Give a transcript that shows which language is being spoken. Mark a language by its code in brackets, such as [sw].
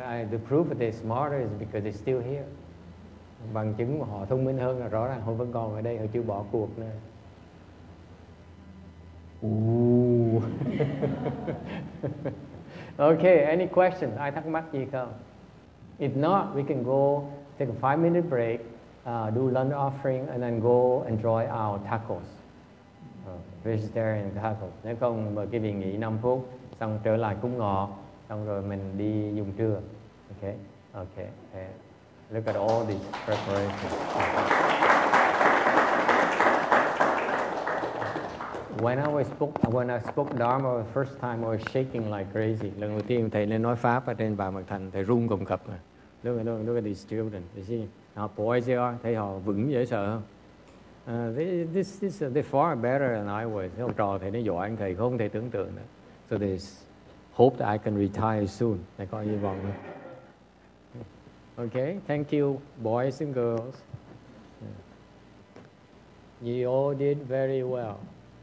[en] The proof that they're smarter is because they're still here. [vi] Bằng chứng họ thông minh hơn là rõ ràng họ vẫn còn ở đây, họ chưa bỏ cuộc nữa. Ooh. [en] Okay, any questions? [vi] Ai thắc mắc gì không? [en] If not, we can go take a 5-minute break. Do lunch offering and then go enjoy our tacos, vegetarian tacos. [vi] Nếu không mời quý vị nghỉ 5 phút, xong trở lại cúng ngọ, xong rồi mình đi dùng trưa. [en] Okay. Look at all these preparations. When I spoke Dharma the first time, I was shaking like crazy. [vi] Lần đầu tiên thầy lên nói pháp ở trên bàn mặt thành, thầy run cầm cập. [en] Look at these children. You see? Now boys they are, [vi] thấy họ vững dễ sợ không? [en] They're far better than I was. [vi] Học trò thầy nó giỏi anh thầy không thể tưởng tượng nữa. [en] So they hope that I can retire soon. They [vi] có hy vọng. [en] Okay, thank you boys and girls. You all did very well.